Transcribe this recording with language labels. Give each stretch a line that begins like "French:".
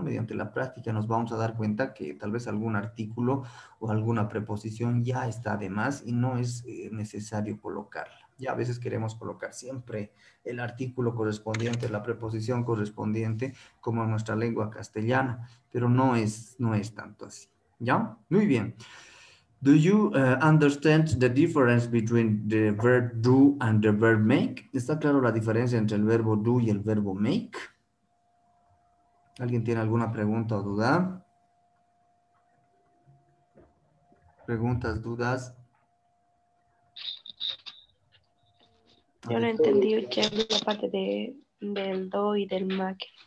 Spanish: Mediante la práctica nos vamos a dar cuenta que tal vez algún artículo o alguna preposición ya está de más y no es necesario colocarla. Ya a veces queremos colocar siempre el artículo correspondiente, la preposición correspondiente, como en nuestra lengua castellana, pero no es tanto así. ¿Ya? Muy bien.
English: Do you understand the difference between the verb do and the verb make?
Spanish: ¿Está claro la diferencia entre el verbo do y el verbo make? ¿Alguien tiene alguna pregunta o duda? ¿Preguntas, dudas? Yo no entendí qué es la parte del do y del make.